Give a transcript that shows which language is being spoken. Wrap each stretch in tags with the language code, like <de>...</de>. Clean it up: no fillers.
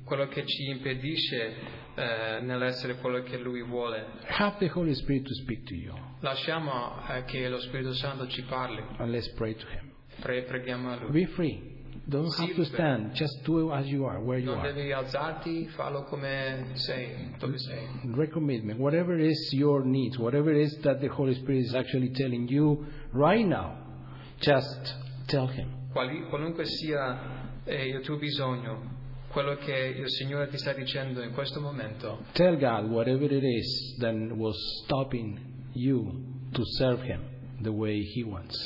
<it>Quello che ci impedisce nell'essere quello che Lui vuole.</it> <en>Have the Holy Spirit to speak to you.</en> <it>Lasciamo che lo Spirito Santo ci parli.</it> <en>And let's pray to Him.</en> <it>Preghiamo a Lui.</it> <en>Be free. Don't have to stand. Just do it as you are, where you</en> <it>non</it> <en>are.</en> <it>Devi alzarti, fallo come sei, dove sei.</it> <en>Recommitment. Whatever is your needs, whatever it is that the Holy Spirit is actually telling you right now, just tell Him.</en> <it>Qualunque sia il tuo bisogno, quello che il Signore ti sta dicendo in questo momento.</it> <en>Tell God whatever it is that was stopping you to serve Him the way He wants.</en>